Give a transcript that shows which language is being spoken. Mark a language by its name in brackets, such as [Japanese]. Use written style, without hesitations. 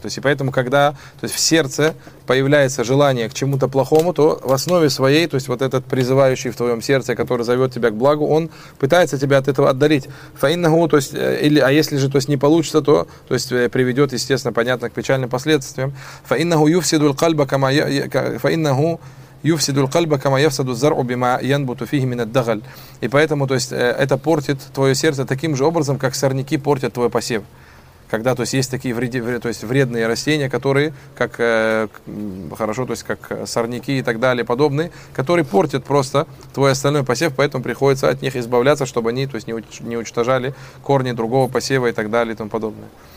[Russian] То есть, и поэтому, когда то есть, в сердце появляется желание к чему-то плохому, то в основе своей, то есть вот этот призывающий в твоем сердце, который зовет тебя к благу, он пытается тебя от этого отдалить. Фаиннаху, то есть, или, а если же то есть, не получится, то есть, приведет, естественно, понятно, к печальным последствиям. [Arabic] Фаиннаху юфсиду лькальба кама фаиннаху يفسد القلب كما يفسد الزرع بما ينبت فيه من الدغل. [Russian] И поэтому, то есть, это портит твое сердце таким же образом, как сорняки портят твой посев. Когда, то есть, есть такие вредные растения, которые, как хорошо, то есть, как сорняки и так далее подобные, которые портят просто твой остальной посев, поэтому приходится от них избавляться, чтобы они, то есть, не уничтожали корни другого посева и так далее и тому подобное.